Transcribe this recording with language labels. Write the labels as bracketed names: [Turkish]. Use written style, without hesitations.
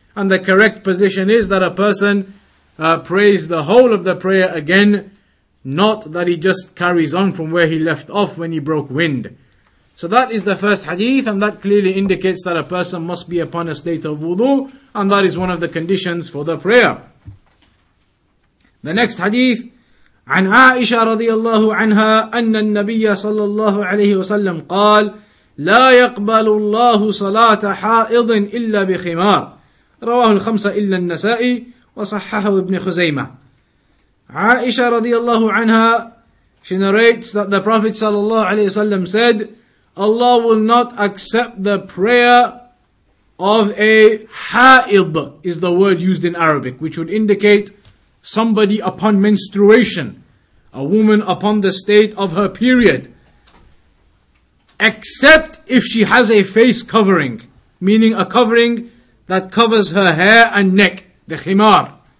[English] And the correct position is that a person prays the whole of the prayer again, not that he just carries on from where he left off when he broke wind. So that is the first hadith, and that clearly indicates that a person must be upon a state of wudu, and that is one of the conditions for the prayer. The next hadith, [Arabic] عن عائشة رضي الله عنها أن النبي صلى الله عليه وسلم قال لا يقبل الله صلاة حائض إلا بخمار رواه الخمسة إلا النسائي وصححه ابن خزيمة. [English] عائشة رضي الله عنها, she narrates that the Prophet صلى الله عليه وسلم said, Allah will not accept the prayer of a حائض, is the word used in Arabic, which would indicate somebody upon menstruation, a woman upon the state of her period, except if she has a face covering, meaning a covering that covers her hair and neck, the khimar.